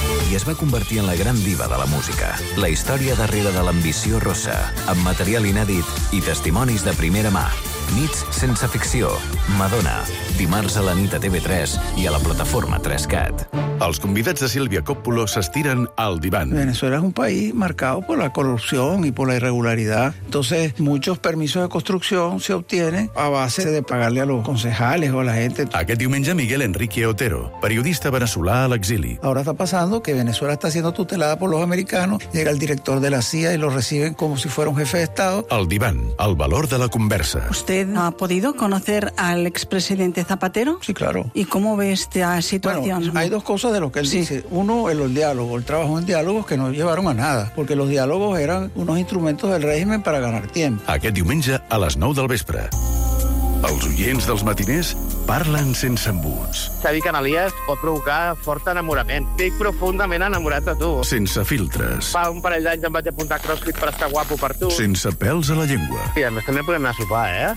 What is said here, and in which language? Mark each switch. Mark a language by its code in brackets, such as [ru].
[ca] I es va convertir en la gran diva de la música. La història darrere de l'ambició rossa, amb material inèdit i testimonis de primera mà. Nits sense ficció. Madonna. Dimarts a la nit a TV3 i a la plataforma 3CAT. Els convidats de Sílvia Coppolo s'estiren al divan. [es] Venezuela es un país marcado por la corrupción y por la irregularidad. Entonces, muchos permisos de construcción se obtienen a base de pagarle a los concejales o a la gente. [ca] Aquest diumenge, Miguel Enrique Otero, periodista veneçolà a l'exili. [es] Ahora está pasando que Venezuela está siendo tutelada por los americanos. Llega el director de la CIA y lo reciben como si fuera un jefe de Estado. [ca] El divan, el valor de la conversa. [es] ¿Usted no ha podido conocer al expresidente Zapatero? Sí, claro. ¿Y cómo ve esta situación? Bueno, hay dos cosas de lo que él dice. Uno, el diálogo, el trabajo en diálogos que no llevaron a nada, porque los diálogos eran unos instrumentos del régimen para ganar tiempo. [ca] Aquest diumenge a les 9 del vespre. Els oients dels matiners parlen sense embuts. Xavi Canalías pot provocar fort enamorament. Estic profundament enamorat de tu. Sense filtres. Fa un parell d'anys em vaig apuntar a CrossFit per estar guapo per tu. Sense pèls a la llengua. I a més també podem anar a sopar, eh?